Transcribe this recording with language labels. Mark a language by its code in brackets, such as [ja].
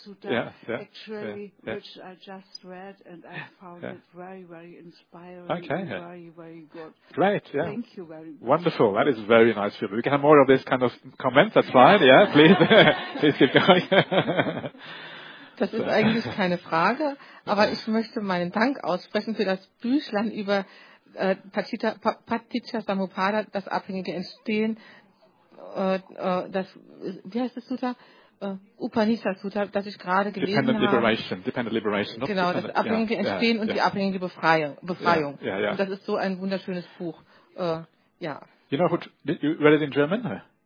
[en] Sutta, which I just read, and I found it very, very inspiring very, very good. Great, yeah. Thank you very much. Wonderful, that is very nice feedback. We can have more of this kind of comments, that's fine, yeah, please, please keep going. [de] Das ist eigentlich keine Frage, aber ich möchte meinen Dank aussprechen für das Büchlein über Paticca Samuppada, das abhängige Entstehen, das, wie heißt das Sutta? Upanishad Sutta, das ich gerade gelesen habe. [en] Dependent Liberation. [de] Genau, das abhängige Entstehen und die abhängige Befreiung. [en] Yeah. [de] Und das ist so ein wunderschönes Buch. [en] You know who you read it in German?